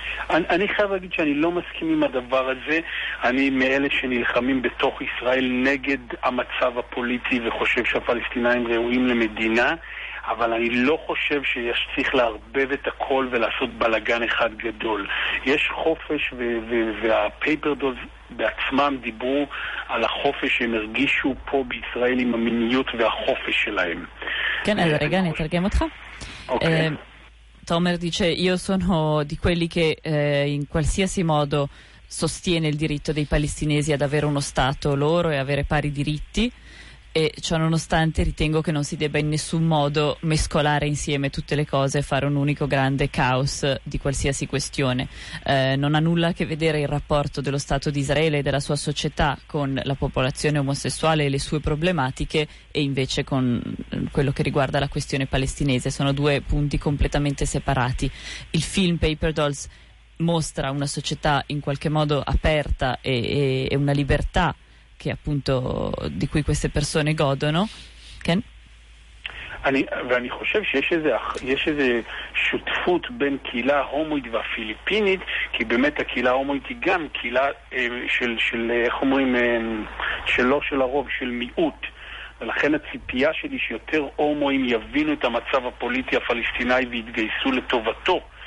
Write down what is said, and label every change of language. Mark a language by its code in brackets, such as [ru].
[he] אני חייב להגיד שאני לא מסכים עם הדבר הזה. אני מאלה שנלחמים בתוך ישראל נגד המצב הפוליטי וחושב שהפלסטינאים ראויים למדינה, אבל אני לא חושב שיש צריך להרבב את הכל ולעשות בלגן אחד גדול. יש חופש, והפייפר דולס בעצמם דיברו על החופש שהם הרגישו פה בישראל עם המיניות והחופש שלהם. כן, אז רגע, אני אתרגם אותך. אוקיי. [it] Tomer dice: io sono di quelli che in qualsiasi modo sostiene il diritto dei palestinesi ad avere uno stato loro e avere pari diritti, e ciò nonostante ritengo che non si debba in nessun modo mescolare insieme tutte le cose e fare un unico grande caos di qualsiasi questione. Non ha nulla a che vedere il rapporto dello Stato di Israele e della sua società con la popolazione omosessuale e le sue problematiche, e invece con quello che riguarda la questione palestinese. Sono due punti completamente separati. Il film Paper Dolls mostra una società in qualche modo aperta e una libertà che appunto di cui queste persone godono. [he] Ken? ואני חושב שיש איזה שותפות בין קהילה הומואית והפיליפינית, כי באמת הקהילה הומואית היא גם קהילה של איך אומרים, שלא של הרוב, של מיעוט. ולכן הציפייה שלי שיותר הומואים יבינו את המצב הפוליטי הפלסטיני והתגייסו לטובתו.